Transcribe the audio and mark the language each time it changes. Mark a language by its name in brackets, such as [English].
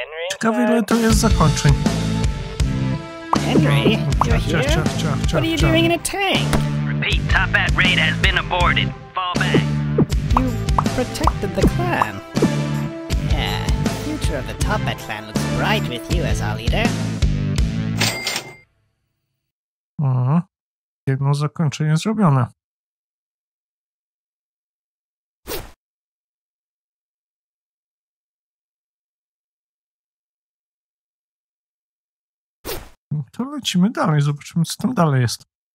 [Polish] Ciekawe, ile to jest zakończeń. [English] Henry, what are you doing in a tank? Repeat, top at raid has been aborted. Fall back. You protected the clan. Yeah, the future of the top at clan looks bright with you as our leader. [Polish] Jedno zakończenie zrobione. To lecimy dalej, zobaczymy, co tam dalej jest.